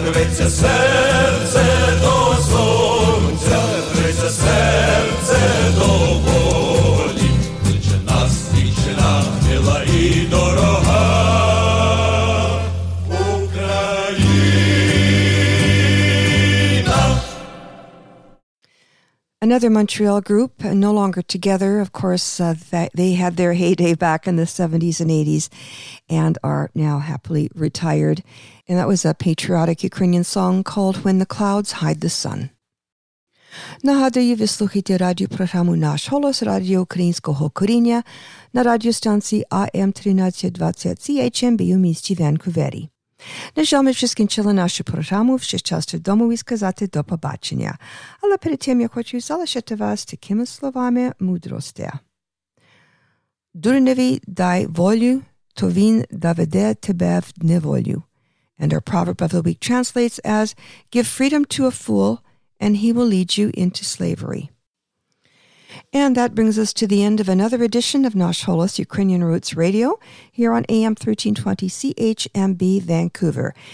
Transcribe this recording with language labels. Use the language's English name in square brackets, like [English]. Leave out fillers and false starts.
[Ukrainian] Рветься серце до сонця, рветься серце до волі. Кличе нас дівчина, мила і дорога Україна. [English] Another Montreal group, no longer together, of course, they had their heyday back in the 70s and 80s and are now happily retired. And that was a patriotic Ukrainian song called When the Clouds Hide the Sun. [Ukrainian] Нагадую, ви слухаєте радіопрограму «Наш голос» радіо українського коріння на радіостанції AM1320 CHMB у місті Ванкувері. На жаль, ми вже скінчили нашу програму, вже час додому і сказати до побачення. Але перед тим, я хочу залишити вас такими словами мудрості. Дурневі дай волю, то він доведе тебе в неволю. [English] And our proverb of the week translates as, give freedom to a fool, and he will lead you into slavery. And that brings us to the end of another edition of Nash Holos Ukrainian Roots Radio here on AM 1320 CHMB Vancouver.